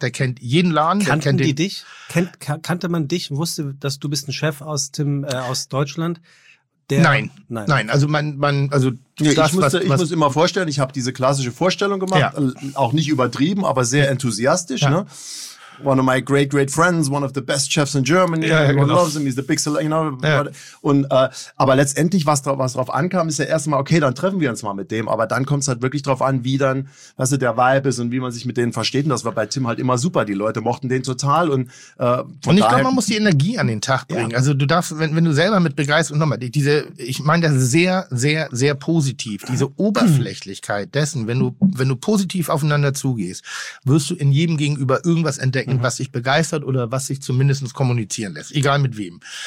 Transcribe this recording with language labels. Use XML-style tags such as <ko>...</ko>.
<de>Der kennt jeden Laden. Kannte man dich? Wusste, dass du bist ein Chef aus aus Deutschland? Nein. Also ich muss immer vorstellen, ich habe diese klassische Vorstellung gemacht, auch nicht übertrieben, aber sehr enthusiastisch. Ja. Ne?</de> <en>One of my great, great friends, one of the best chefs in Germany, loves him, he's the big celebrity, you know. Ja.</en> <de>Aber letztendlich, was drauf ankam, ist ja erstmal, okay, dann treffen wir uns mal mit dem, aber dann kommt es halt wirklich drauf an, wie dann, was der Vibe ist und wie man sich mit denen versteht. Und das war bei Tim halt immer super, die Leute mochten den total. Und ich glaube, man muss die Energie an den Tag bringen. Ja. Also du darfst, wenn du selber mit begeistert, und nochmal, ich meine das sehr, sehr, sehr positiv, diese Oberflächlichkeit dessen, wenn du positiv aufeinander zugehst, wirst du in jedem Gegenüber irgendwas entdecken, was sich begeistert oder was sich zumindest kommunizieren lässt, egal mit wem.</de>